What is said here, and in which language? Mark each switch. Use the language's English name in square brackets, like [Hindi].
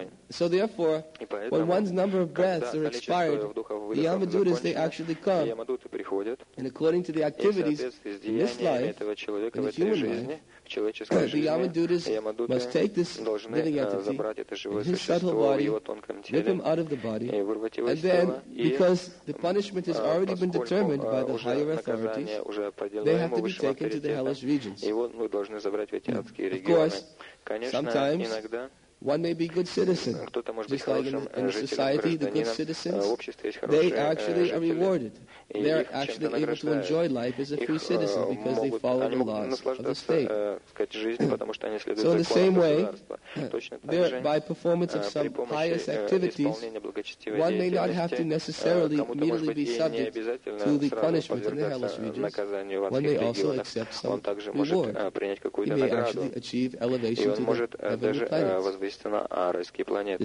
[English] So therefore, when one's number of breaths are expired, the Yamadutas, they actually come, and according to the activities in this life, in the human life, the Yamadutas must take this living entity in his subtle body, rip him out of the body, and then, because the punishment has already been determined by the higher authorities, they have to be taken to the hellish regions. Of course, sometimes One may be good citizen. [Russian] Кто-то может быть хорошим гражданином. В обществе есть хорошие жители. И они могут наслаждаться, сказать, жизнью, потому что они следуют законам государства. Точно так же, [English] by performance of some pious activities, one may not have to necessarily immediately be subject to the punishment in the hellish regions. One may also accept some reward. He may actually achieve elevation to the heavenly planets.